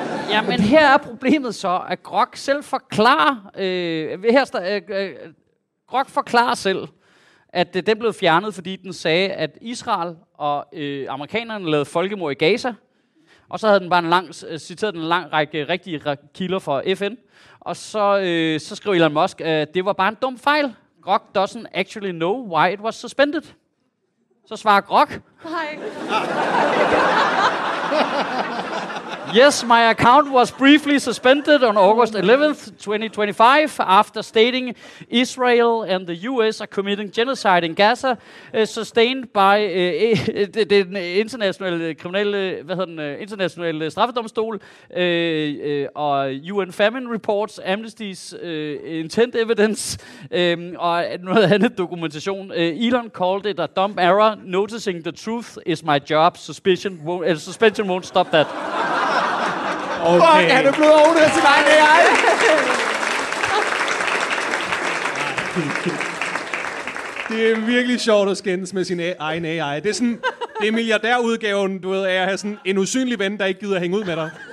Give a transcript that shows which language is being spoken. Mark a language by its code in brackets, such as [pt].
[da] Ja, men her er problemet så, at Grok selv forklarer... Grok forklarer selv, at den blev fjernet, fordi den sagde, at Israel og amerikanerne lavede folkemord i Gaza. Og så havde den bare citeret en lang række rigtige kilder fra FN. Og så skrev Elon Musk, at det var bare en dum fejl. [en] Grok doesn't actually know why it was suspended. [da] Så svarer Grok. Hej. [en] Yes, my account was briefly suspended on August 11th, 2025, after stating Israel and the U.S. are committing genocide in Gaza, sustained by den internationale kriminelle, internationale straffedomstol, og UN Famine Reports, Amnesty's intent evidence, og noget andet dokumentation. Elon called it a dumb error, noticing the truth is my job, suspension won't stop that. [da] Okay. Fuck, han er blevet oven af sin egen AI. Det er virkelig sjovt at skændes med sin egen AI. Det er sådan, det er milliardærudgaven, du ved, af at have sådan en usynlig ven, der ikke gider hænge ud med dig.